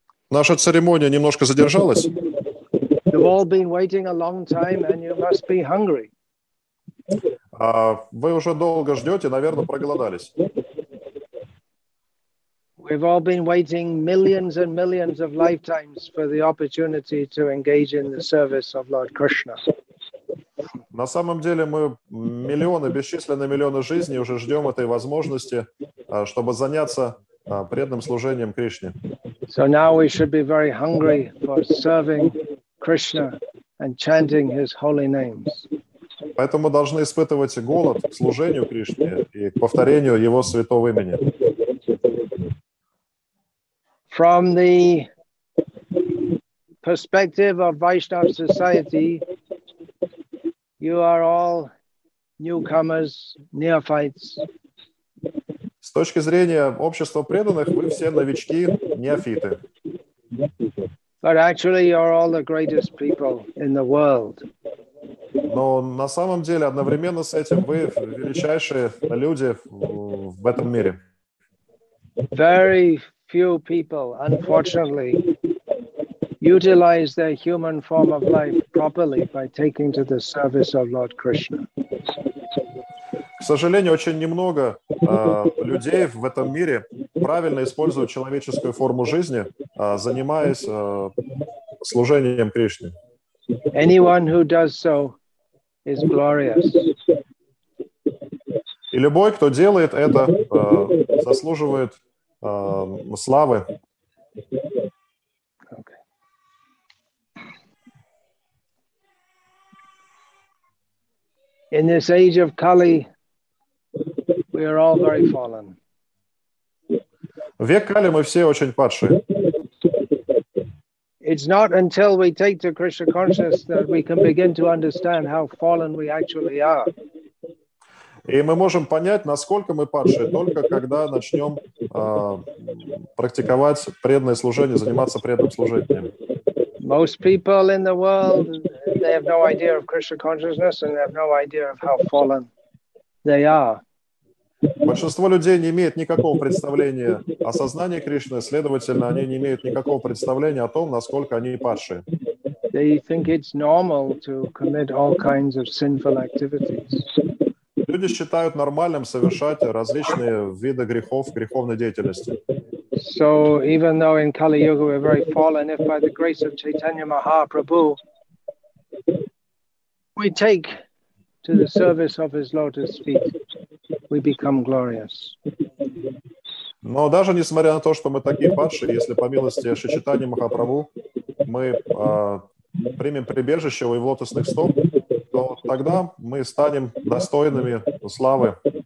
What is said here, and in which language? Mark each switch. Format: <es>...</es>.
<ru>Наша церемония немножко задержалась.</ru> <en>You've all been waiting a long time and you must be hungry.</en> <ru>Вы уже долго ждете, наверное, проголодались.</ru> <en>We've all been waiting millions and millions of lifetimes for the opportunity to engage in the service of Lord Krishna.</en> <ru>На самом деле мы миллионы, бесчисленные миллионы жизней уже ждем этой возможности, чтобы заняться преданным служением Кришне.</ru> <en>So now we should be very hungry for serving Krishna and chanting his holy names.</en> <ru>Поэтому мы должны испытывать голод к служению Кришне и к повторению его святого имени.</ru> <en>From the perspective of Vaishnava society, you are all newcomers, neophytes.</en> <ru>С точки зрения общества преданных, вы все новички, неофиты.</ru> <en>But actually, you are all the greatest people in the world.</en> <ru>Но на самом деле, одновременно с этим, вы величайшие люди в этом мире.</ru> <en>Very few people, unfortunately, utilize their human form of life properly by taking to the service of Lord Krishna.</en> <ru>К сожалению, очень немного людей в этом мире правильно используют человеческую форму жизни, занимаясь служением Кришне.</ru> <en>Anyone who does so is glorious.</en> <ru>И любой, кто делает это, заслуживает славы.</ru> <en>In this age of Kali, we are all very fallen.</en> <ru>В век Кали мы все очень падшие.</ru> <en>It's not until we take to Krishna consciousness that we can begin to understand how fallen we actually are.</en> <ru>И мы можем понять, насколько мы падшие, только когда начнем практиковать преданное служение, заниматься преданным служением.</ru> <en>Most people in the world, they have no idea of Krishna consciousness and they have no idea of how fallen they are.</en> <ru>Большинство людей не имеет никакого представления о сознании Кришны, следовательно, они не имеют никакого представления о том, насколько они падшие.</ru> <en>They think it's normal to commit all kinds of sinful activities.</en> <ru>Люди считают нормальным совершать различные виды грехов, греховной деятельности.</ru> <en>So even though in Kali Yuga we're very fallen, if by the grace of Chaitanya Mahaprabhu we take to the service of his lotus feet, we become glorious.</en> <ru>Но даже несмотря на то, что мы такие падшие, если по милости Шри Чайтаньи Махапрабху мы примем прибежище у его лотосных стоп, то тогда мы станем достойными славы.</ru>